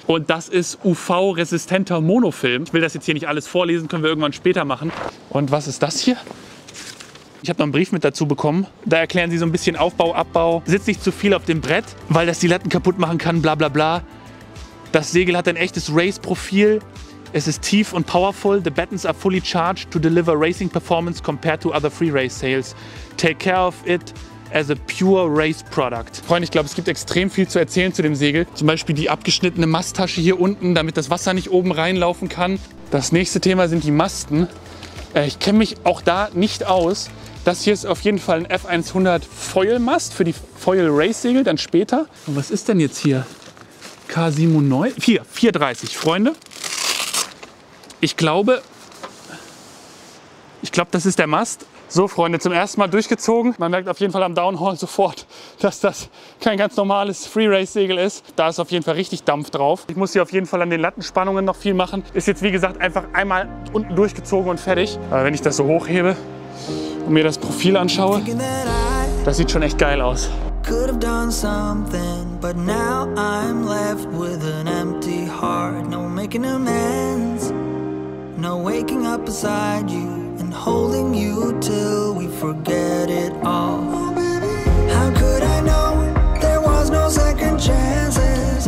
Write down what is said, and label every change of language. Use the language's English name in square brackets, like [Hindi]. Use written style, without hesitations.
[German] Und das ist UV-resistenter Monofilm. Ich will das jetzt hier nicht alles vorlesen, können wir irgendwann später machen. Und was ist das hier? Ich habe noch einen Brief mit dazu bekommen. Da erklären sie so ein bisschen Aufbau, Abbau. Sitzt nicht zu viel auf dem Brett, weil das die Latten kaputt machen kann, bla bla bla. Das Segel hat ein echtes Race-Profil. Es ist tief und powerful. [English] The battens are fully charged to deliver racing performance compared to other free race sails. Take care of it as a pure race product. [German] Freunde, ich glaube, es gibt extrem viel zu erzählen zu dem Segel. Zum Beispiel die abgeschnittene Masttasche hier unten, damit das Wasser nicht oben reinlaufen kann. Das nächste Thema sind die Masten. Ich kenne mich auch da nicht aus. Das hier ist auf jeden Fall ein F100 Foil Mast für die Foil Race Segel, dann später. Und was ist denn jetzt hier? K79? 4.30, Freunde. Ich glaube, das ist der Mast. So, Freunde, zum ersten Mal durchgezogen. Man merkt auf jeden Fall am Downhaul sofort, dass das kein ganz normales Free-Race-Segel ist. Da ist auf jeden Fall richtig Dampf drauf. Ich muss hier auf jeden Fall an den Lattenspannungen noch viel machen. Ist jetzt, wie gesagt, einfach einmal unten durchgezogen und fertig. Aber wenn ich das so hochhebe und mir das Profil anschaue, das sieht schon echt geil aus. [English] could have done something, but now I'm left with an empty heart. No making amends, no waking up beside you and holding you till we forget it all. How could I know there was no second chances?